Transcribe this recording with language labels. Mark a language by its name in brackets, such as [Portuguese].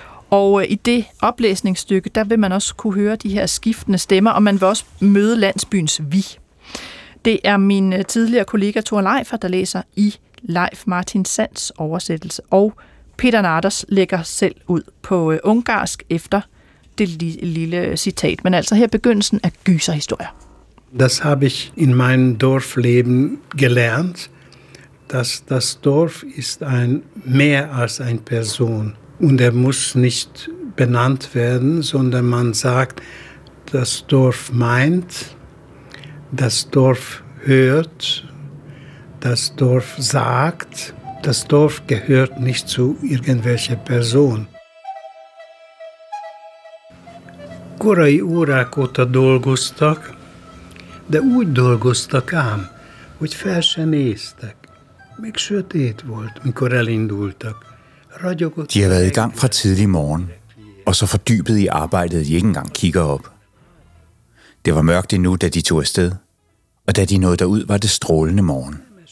[Danish] Og i det oplæsningsstykke, der vil man også kunne høre de her skiftende stemmer, og man vil også møde landsbyens vi. Det er min tidligere kollega Thor Leifer, der læser i Leif Martin Sands oversættelse, og Peter Nardas lægger selv ud på ungarsk efter det lille citat, men altså her begyndelsen af Gyserhistorier. [German] Das habe ich in meinem Dorfleben gelernt, dass das Dorf ist ein mehr als ein Person und er muss nicht benannt werden, sondern man sagt, das Dorf meint, das Dorf hört, das Dorf sagt. Das Dorf gehört nicht zu irgendwelcher Person. [Hungarian] Korai órák óta dolgoztak, de úgy dolgoztak ám, hogy fel se néztek. Még sötét volt, mikor elindultak. [Danish] De har været i gang fra tidlig morgen, og så fordybet i arbejdet, de ikke engang kigger op. Det var mørkt endnu, da de tog afsted, og da de nåede derud, var det strålende morgen.